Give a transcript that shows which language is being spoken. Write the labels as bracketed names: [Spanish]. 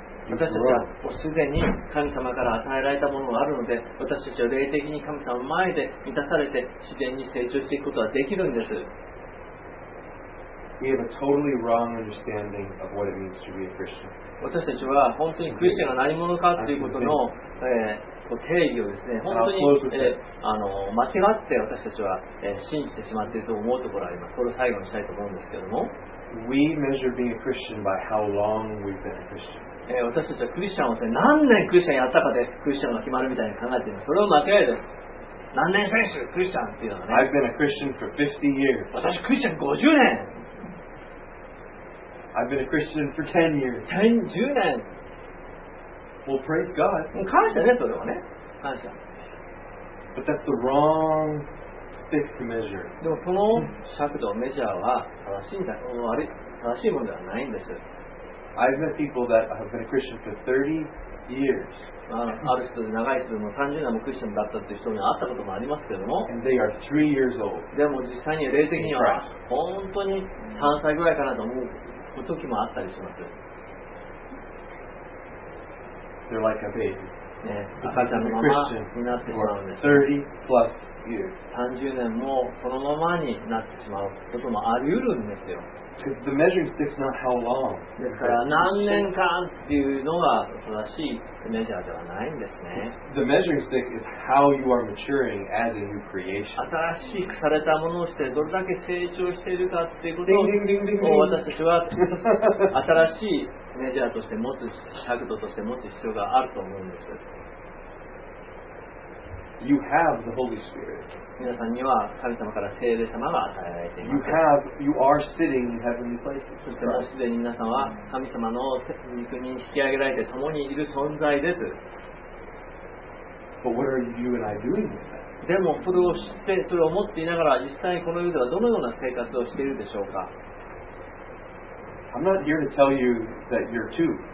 [Japanese] 私たちはもうすでに神様から与えられたものがあるので、私たちは霊的に神様の前で満たされて自然に成長していくことができるんです。 [English] We have a totally wrong understanding of what it means to be a Christian. [Japanese] 私たちは本当にクリスチャンが何者かということの、定義をですね、本当に、間違って私たちは、信じてしまっていると思うところがあります。これを最後にしたいと思うんですけども。 [English] We measure being a Christian by how long we've been a Christian. [Japanese] 私たちはクリスチャンを何年クリスチャンやったかでクリスチャンが決まるみたいに考えています。それは間違いです。何年選手クリスチャンっていうのはね。 [English] I've been a Christian for 50 years. [Japanese] 私クリスチャン50年。 [English] I've been a Christian for 10 years. [Japanese] 10年。 [English] Well, praise God. [Japanese] 感謝ね、それはね。感謝。 [English] But that's the wrong stick to measure. [Japanese] でもこの尺度、メジャーは正しいものではないんです。 [English] I've met people that have been a Christian for 30 years. [Japanese] ある人で長い人でも30年もクリスチャンだったっていう人に会ったこともありますけども。 [English] And they are 3 years old. [Japanese] でも実際に霊的には本当に3歳ぐらいかなと思う。時もあったりします。 [English] They're like a baby. [Japanese] 赤ちゃんのままになってしまうんです。 [English] 30 plus years. [Japanese] 30年もそのままになってしまうこともあり得るんですよ。 [English] Because the measuring stick is not how long. [Japanese] ですから何年間っていうのが正しいメジャーではないんですね。 [English] The measuring stick is how you are maturing as a new creation. [Japanese] 新しくされたものをしてどれだけ成長しているかっていうことを、私たちは新しいメジャーとして持つ、尺度として持つ必要があると思うんです。 [English] You have the Holy Spirit. [Japanese] 皆さんには神様から聖霊様が与えられています。 [English] you are sitting in heavenly places. [Japanese] そしてもうすでに皆さんは神様の肉に引き上げられて共にいる存在です。 [English] But what are you and I doing with that? [Japanese] でもそれを知ってそれを持っていながら実際にこの世ではどのような生活をしているでしょうか。 [English] I'm not here to tell you that you're too.